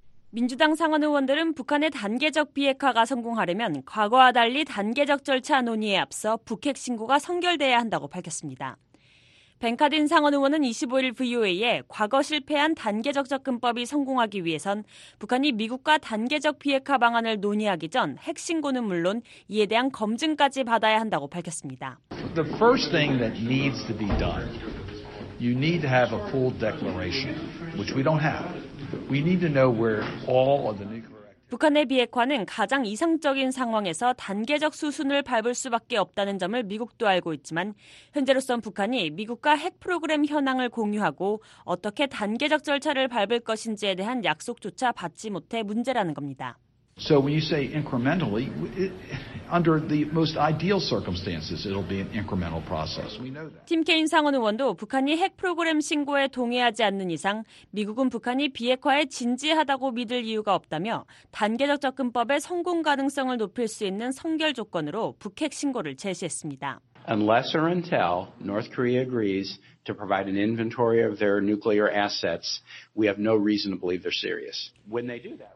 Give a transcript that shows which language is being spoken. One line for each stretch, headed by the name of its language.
Korean: 민주당 상원 의원들은 북한의 단계적 비핵화가 성공하려면 과거와 달리 단계적 절차 논의에 앞서 북핵 신고가 선결돼야 한다고 밝혔습니다. 벤카딘 상원 의원은 25일 VOA에 과거 실패한 단계적 접근법이 성공하기 위해선 북한이 미국과 단계적 비핵화 방안을 논의하기 전 핵 신고는 물론 이에 대한 검증까지 받아야 한다고 밝혔습니다.
English: The first thing that needs to be done. You need to have a full declaration, which we don't have. We need to know where all of the nuclear
Korean: 북한의 비핵화는 가장 이상적인 상황에서 단계적 수순을 밟을 수밖에 없다는 점을 미국도 알고 있지만 현재로선 북한이 미국과 핵 프로그램 현황을 공유하고 어떻게 단계적 절차를 밟을 것인지에 대한 약속조차 받지 못해 문제라는 겁니다.
English: So when you say incrementally, under the most ideal circumstances, it'll be an incremental process. We know that.
Korean: 팀 케인 상원 의원도 북한이 핵 프로그램 신고에 동의하지 않는 이상 미국은 북한이 비핵화에 진지하다고 믿을 이유가 없다며 단계적 접근법의 성공 가능성을 높일 수 있는 선결 조건으로 북핵 신고를 제시했습니다.
English: Unless or until North Korea agrees to provide an inventory of their nuclear assets, we have no reason to believe they're serious. When they do that.